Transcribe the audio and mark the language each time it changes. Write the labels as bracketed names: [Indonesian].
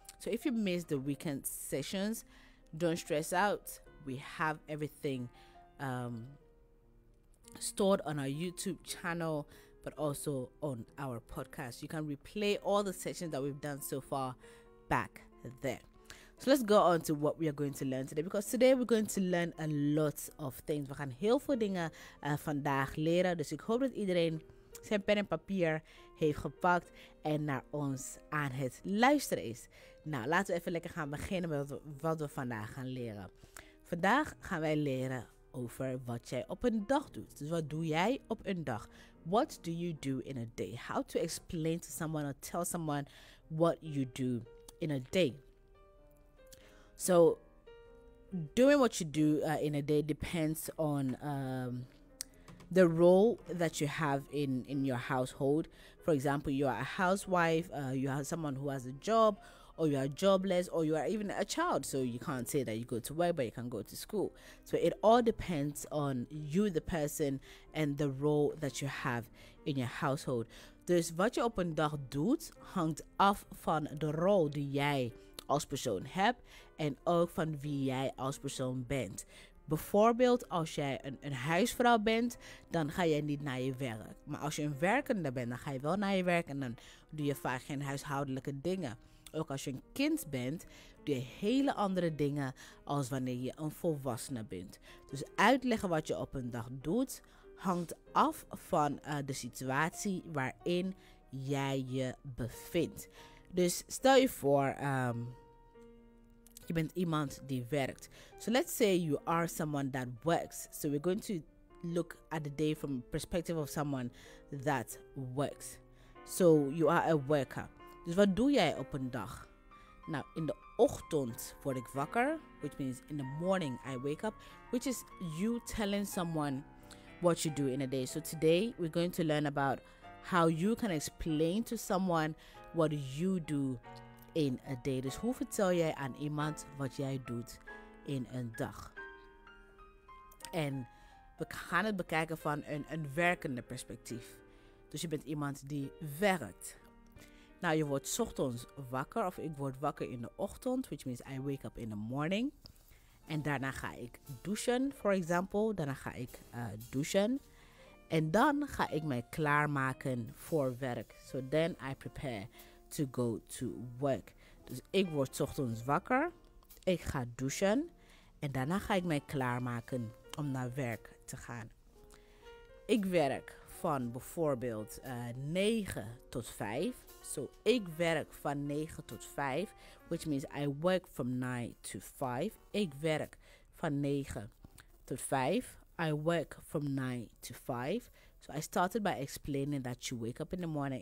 [English] So if you miss the weekend sessions, don't stress out. We have everything stored on our YouTube channel, but also on our podcast. You can replay all the sessions that we've done so far back there. So let's go on to what we are going to learn today, because today we're going to learn a lot of things. [Dutch] We gaan heel veel dingen vandaag leren, dus ik hoop dat iedereen zijn pen en papier heeft gepakt en naar ons aan het luisteren is. Nou, laten we even lekker gaan beginnen met wat we vandaag gaan leren. Vandaag gaan wij leren over wat jij op een dag doet. Dus wat doe jij op een dag? [English] What do you do in a day? How to explain to someone or tell someone what you do in a day. So doing what you do in a day depends on the role that you have in your household. For example, you are a housewife, you have someone who has a job, or you are jobless, or you are even a child, so you can't say that you go to work but you can go to school. So it all depends on you, the person, and the role that you have in your household. [Dutch] Dus wat je op een dag doet hangt af van de rol die jij als persoon hebt en ook van wie jij als persoon bent. Bijvoorbeeld als jij een huisvrouw bent, dan ga jij niet naar je werk. Maar als je een werkende bent, dan ga je wel naar je werk en dan doe je vaak geen huishoudelijke dingen. Ook als je een kind bent, doe je hele andere dingen als wanneer je een volwassene bent. Dus uitleggen wat je op een dag doet hangt af van de situatie waarin jij je bevindt. Dus stel je voor, je bent iemand die werkt. [English] So let's say you are someone that works. So we're going to look at the day from perspective of someone that works. So you are a worker. [Dutch] Dus wat doe jij op een dag? Nou, in de ochtend word ik wakker, [English] which means in the morning I wake up, which is you telling someone what you do in a day. So today we're going to learn about how you can explain to someone what you do in a day. [Dutch] Dus hoe vertel jij aan iemand wat jij doet in een dag? En we gaan het bekijken van een werkende perspectief. Dus je bent iemand die werkt. Nou, je wordt 's ochtends wakker, of ik word wakker in de ochtend, [English] which means I wake up in the morning. [Dutch] En daarna ga ik douchen, [English] for example. [Dutch] Daarna ga ik douchen. En dan ga ik mij klaarmaken voor werk. [English] So then I prepare to go to work. [Dutch] Dus ik word 's ochtends wakker. Ik ga douchen. En daarna ga ik mij klaarmaken om naar werk te gaan. Ik werk van bijvoorbeeld 9 tot 5. [English] So [Dutch] ik werk van 9 tot 5. [English] Which means I work from 9 to 5. [Dutch] Ik werk van 9 tot 5. [English] I work from 9 to 5. So I started by explaining that you wake up in the morning.